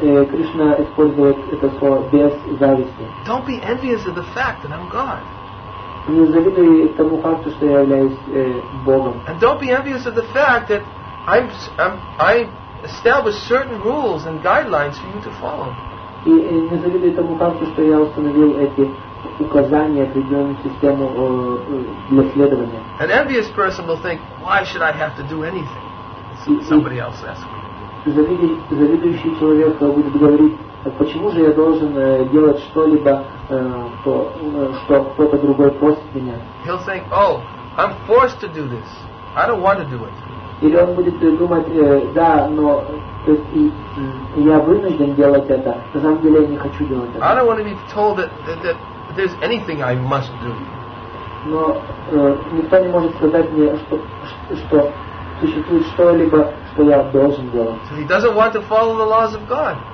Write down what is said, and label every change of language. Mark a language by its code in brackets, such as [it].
[ru] Кришна использует это слово без зависти. [en] Don't be envious of the fact that I'm God. [ru] Не завидуй тому факту, что я являюсь Богом. [en] And don't be envious of the fact that I establish certain rules and guidelines for you to follow. [ru] И не завидуй тому факту, что я установил эти указания, определенную систему для следования. [en] An envious person will think, why should I have to do anything? Somebody else asks me. [ru] Завидующий человек будет говорить, почему же я должен делать что-либо, что кто-то другой просит меня. [en] He'll think, oh, I'm forced to do this. I don't want to do it. [ru] Или он будет думать, да, но то есть, я вынужден делать это, на самом деле я не хочу делать это. [en] I don't want to be told that there's anything I must do. [ru] Но никто не может сказать мне, что существует что-либо, что я должен делать. [en] So he doesn't want to follow the laws of God.